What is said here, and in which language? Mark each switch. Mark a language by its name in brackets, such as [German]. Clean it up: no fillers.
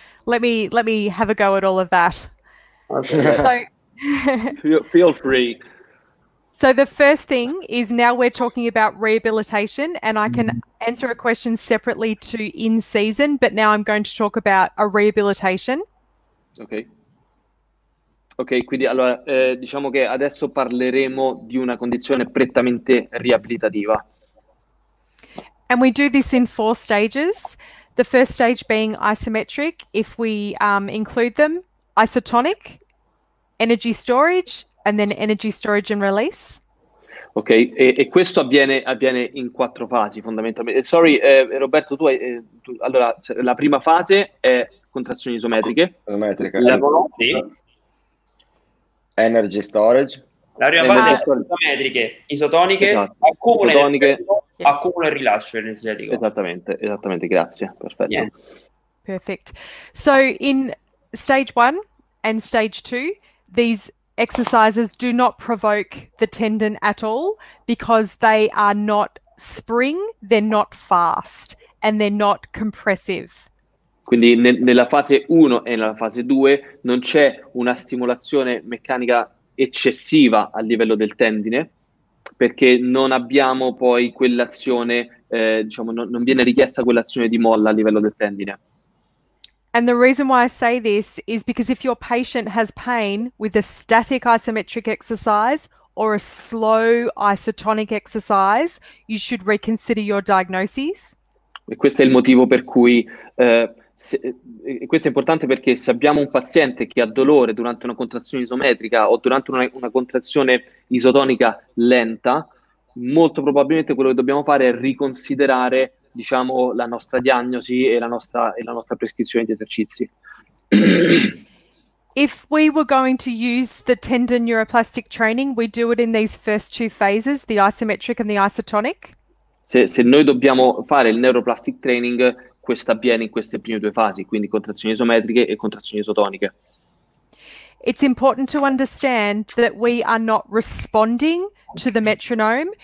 [English] Let me have a go at all of that. Okay. So, feel free. So the first thing is, now we're talking about rehabilitation, and I can answer a question separately to in season, but now I'm going to talk about a rehabilitation. Ok. [Italian] Ok, quindi allora diciamo che adesso parleremo di una condizione prettamente riabilitativa. [English] And we do this in four stages. The first stage being isometric, if we include them, isotonic, energy storage, and then energy storage and release. [Italian] Ok, e questo avviene in quattro fasi fondamentalmente. Sorry, Roberto, tu allora, la prima fase è contrazioni isometriche. Isometrica. [English] Energy storage. [Italian] La prima fase è isometriche, isotoniche, esatto. Accumulo. Yes. Accumulo e rilascio energetico. Esattamente, grazie, perfetto. [English] Yeah. Perfect. So in stage one and stage two, these exercises do not provoke the tendon at all because they are not spring, they're not fast, and they're not compressive. [Italian] Quindi nella fase 1 e nella fase 2 non c'è una stimolazione meccanica eccessiva a livello del tendine, perché non abbiamo poi quell'azione, non viene richiesta quell'azione di molla a livello del tendine. [English] And the reason why I say this is because if your patient has pain with a static isometric exercise or a slow isotonic exercise, you should reconsider your diagnosis. [Italian] E questo è il motivo per cui, questo è importante perché se abbiamo un paziente che ha dolore durante una contrazione isometrica o durante una contrazione isotonica lenta, molto probabilmente quello che dobbiamo fare è riconsiderare, diciamo, la nostra diagnosi e la nostra prescrizione di esercizi. [English] If we were going to use the tendon neuroplastic training, we do it in these first two phases, the isometric and the isotonic. [Italian] Se noi dobbiamo fare il neuroplastic training, questo avviene in queste prime due fasi, quindi contrazioni isometriche e contrazioni isotoniche. [English] It's important to understand that we are not responding to the metronome.